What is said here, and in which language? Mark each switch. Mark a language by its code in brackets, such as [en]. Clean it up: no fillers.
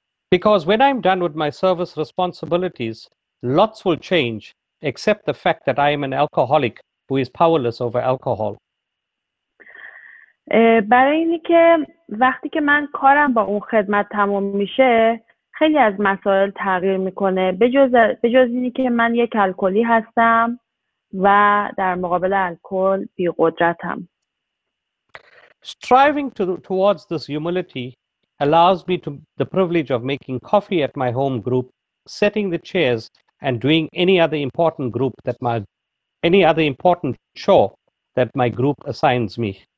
[en] Because when I'm done with my service responsibilities, lots will change, except the fact that I am an alcoholic who is powerless over alcohol. [fa] برای اینی که وقتی که من کارم با اون خدمت تموم میشه، خیلی از مسائل تغییر میکنه. به جز اینی که من یک الکلی هستم و در مقابل الکل بی قدرتم. [en] Striving towards this humility allows me to the privilege of making coffee at my home group, setting the chairs, and doing any other important chore that my group assigns me.